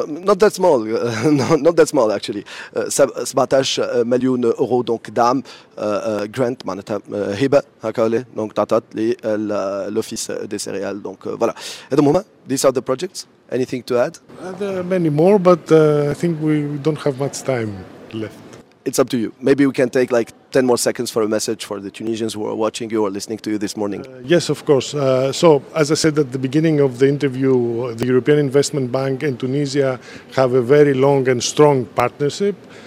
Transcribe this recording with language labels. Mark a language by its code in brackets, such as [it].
[en] Not that small, not that small actually. [ar] 17 مليون يورو دونك دعم grant معناتها هبه هكا ولا دونك تعطات للأوفيس دي سيريال دونك فوالا هذا مهم. [en] These are the projects. Anything to add? There are many more, but I think we don't have much time left. It's up to you. Maybe we can take like 10 more seconds for a message for the Tunisians who are watching you or listening to you this morning. Yes, of course. So, as I said at the beginning of the interview, the European Investment Bank and Tunisia have a very long and strong partnership.